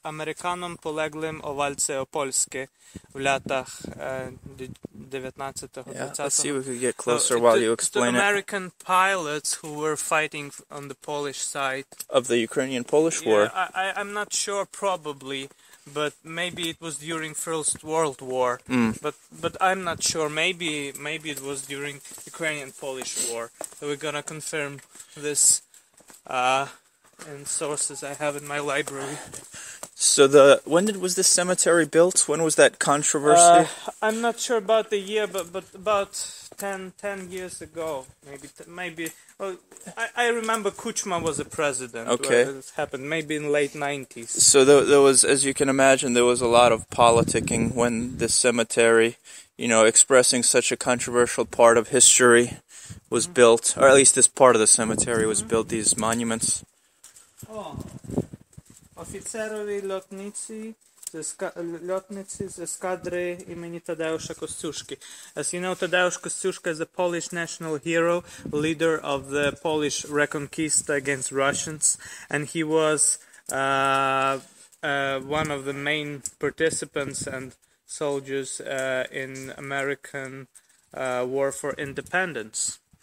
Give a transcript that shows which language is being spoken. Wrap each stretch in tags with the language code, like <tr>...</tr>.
<pl>Amerykanom poleglim o walce o Polskę w latach</pl> <en>19th. Yeah, let's see if we could get closer while you explain it. To American pilots who were fighting on the Polish side. Of the Ukrainian-Polish war. I'm not sure, probably. But maybe it was during First World War. Mm. But I'm not sure. Maybe it was during Ukrainian-Polish War. So we're gonna confirm this in sources I have in my library. So when was this cemetery built? When was that controversy? I'm not sure about the year, but about 10 years ago, maybe. Well, I remember Kuchma was a president. Okay. This happened maybe in late 90s. So there was, as you can imagine, there was a lot of politicking when this cemetery, you know, expressing such a controversial part of history was mm-hmm. built, or at least this part of the cemetery was mm-hmm. built, these monuments.</en> <pl>Oh, oficerowie lotnicy. Lotnicy z eskadry imieni Tadeusza Kościuszki.</pl> <en>As you know, Tadeusz Kościuszka is a Polish national hero, leader of the Polish Reconquista against Russians, and he was one of the main participants and soldiers in American War for Independence.</en>